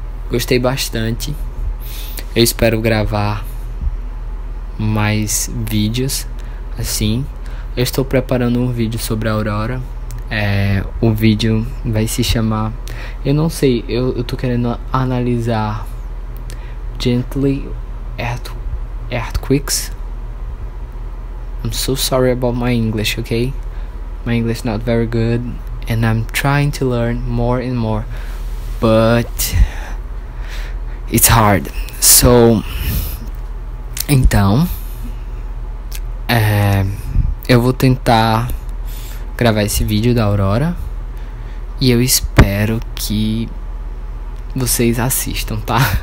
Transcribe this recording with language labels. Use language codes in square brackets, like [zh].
[pt] Gostei bastante. Eu espero gravar mais vídeos assim. Eu estou preparando um vídeo sobre a Aurora. O vídeo vai se chamar... Eu não sei, eu tô querendo analisar Gently Earthquakes. [en] I'm so sorry about my English, okay? My English not very good, and I'm trying to learn more and more, but it's hard. [pt] So, então, eu vou tentar gravar esse vídeo da Aurora, e eu espero que vocês assistam, tá?